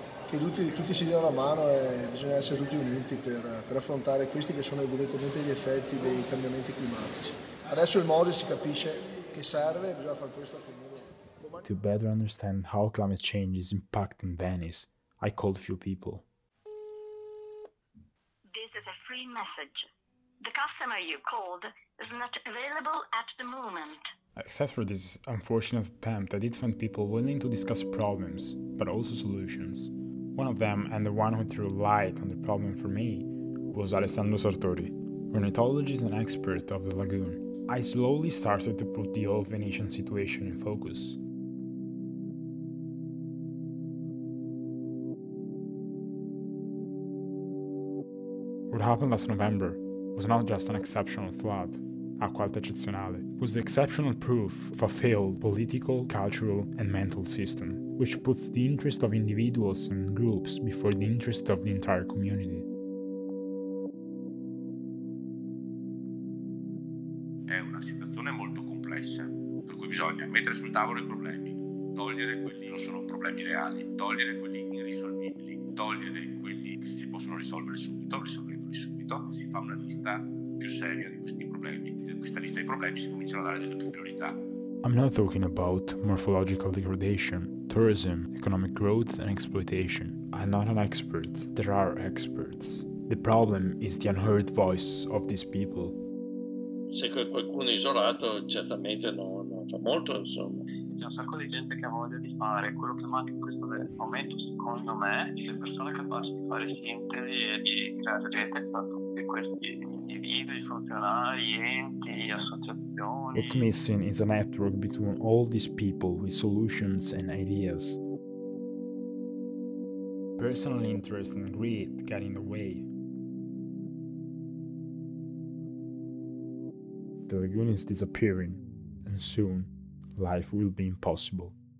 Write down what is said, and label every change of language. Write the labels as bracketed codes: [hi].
[it] Che tutti si diano la mano e bisogna essere tutti uniti per affrontare questi che sono evidentemente gli effetti dei cambiamenti climatici. Adesso il modo si capisce che serve, bisogna fare questo affinché. [en] To better understand how climate change is impacting Venice, I called a few people. This is a free message. The customer you called is not available at the moment. Except for this unfortunate attempt, I did find people willing to discuss problems, but also solutions. One of them, and the one who threw light on the problem for me, was Alessandro Sartori, ornithologist and expert of the lagoon. I slowly started to put the old Venetian situation in focus. What happened last November was not just an exceptional flood, [it] acqua alta eccezionale, [en] was the exceptional proof of a failed political, cultural, and mental system, which puts the interest of individuals and groups before the interest of the entire community. [it] È una situazione molto complessa, per cui bisogna mettere sul tavolo i problemi, togliere quelli che non sono problemi reali, togliere quelli irrisolvibili, togliere quelli che si possono risolvere subito, risolvendoli subito, si fa una lista più seria di questi problemi. Questa lista di problemi si cominciano a dare delle priorità. [en] I'm not talking about morphological degradation, tourism, economic growth and exploitation. I'm not an expert. There are experts. The problem is the unheard voice of these people. [it] Se qualcuno è isolato, certamente non fa molto, insomma. C'è un sacco di gente che ha voglia di fare quello che manca in questo momento, secondo me. Le persone capaci di fare sintesi e di creare rete tra tutti questi individui, funzionari, enti, associazioni. [en] What's missing is a network between all these people with solutions and ideas. Personal interest and greed get in the way. The lagoon is disappearing, and soon life will be impossible.